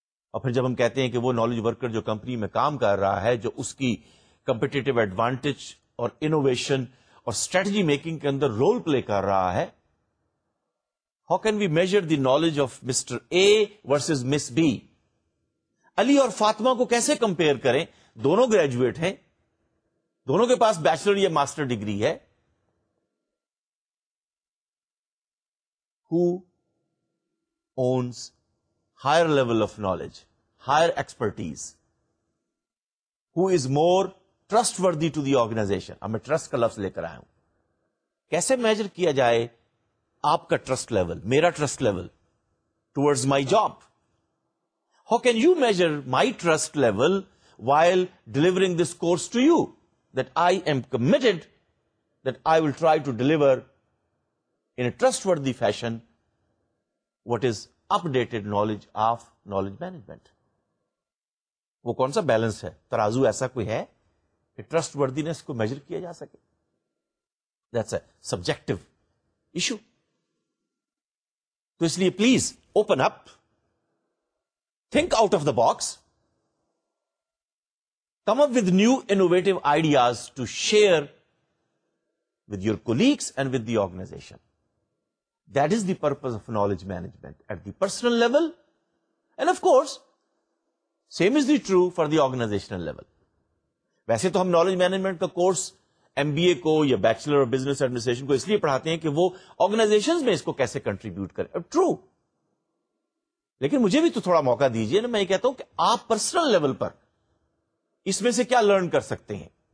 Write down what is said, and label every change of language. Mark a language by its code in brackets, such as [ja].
[ur] اور پھر جب ہم کہتے ہیں کہ وہ نالج ورکر جو کمپنی میں کام کر رہا ہے, جو اس کی کمپیٹیٹو ایڈوانٹیج اور انوویشن اور اسٹریٹجی میکنگ کے اندر رول پلے کر رہا ہے, [en] how can we measure the knowledge of Mr. A versus Miss B? [ur] Ali اور فاطمہ کو کیسے compare کریں؟ دونوں graduate ہیں, دونوں کے پاس bachelor یا master degree ہے. [en] Who owns higher level of knowledge, higher expertise? Who is more trustworthy to the organization? [ur] میں trust کا لفظ لے کر آیا ہوں. کیسے measure کیا جائے آپ کا ٹرسٹ لیول, [en] میرا trust level towards my job? How can you measure my trust level while delivering this course to you that I am committed that I will try to deliver in a trust worthy fashion what is updated knowledge of knowledge management. [ur] وہ کون سا balance ہے, ترازو ایسا کوئی ہے کہ ٹرسٹ وردینس کو میجر کیا جا سکے؟ [en] That's a subjective issue. تو اس لیے please open up, think out of the box, come up with new innovative ideas to share with your colleagues and with the organisation. That is the purpose of knowledge management at the personal level, and of course same is the true for the organisational level. [ur] ویسے تو ہم knowledge management کا course M B اے کو یا bachelor of business administration کو اس لیے پڑھاتے ہیں کہ وہ آرگنائزیشن میں اس کو کیسے کنٹریبیوٹ کرے. ٹرو, لیکن مجھے بھی تو تھوڑا موقع دیجئے نا. میں یہ کہتا ہوں کہ آپ پرسنل لیول پر اس میں سے کیا لرن کر سکتے ہیں.